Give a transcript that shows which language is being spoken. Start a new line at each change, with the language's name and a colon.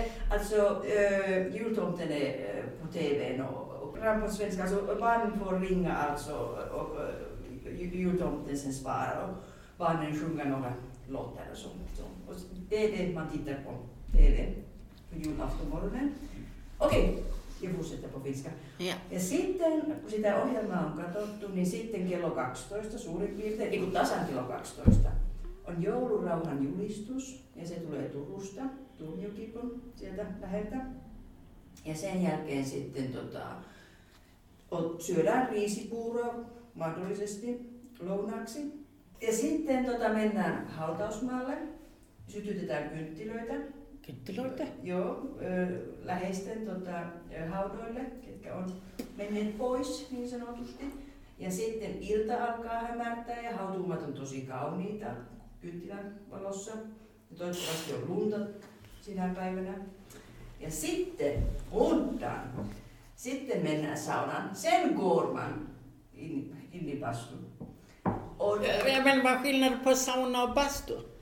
Swedish: Alltså, jultomten är på tvn och fram på svenska. Alltså, barnen får ringa alltså, och jultomten sen svarar. Barnen sjunger några låtar och sånt. Och det är det man tittar på tv. Julaftonmorgonen. Okei, okay. Jag fortsätter på finska.
English: Yeah.
Finnish: Ja sitten, kun sitä ohjelmaa on katsottu, niin sitten kello 12 suurin piirtein, niin kuin tasan kello 12, on joulurauhan julistus. Ja se tulee Turusta, Turunjokipun, sieltä läheltä. Ja sen jälkeen sitten syödään riisipuuroa mahdollisesti lounaksi. Ja sitten mennään hautausmaalle, sytytetään kynttilöitä. Kynttilöitä? Joo, läheisten haudoille, ketkä on menneet pois niin sanotusti. Ja sitten ilta alkaa hämärtää ja hautuumat on tosi kauniita kynttilän valossa. Ja toivottavasti on lunta sinä päivänä. Ja sitten undan, sitten mennään saunan sen kuorman innipastu.
Swedish: Vad skillnad på sauna och bastu?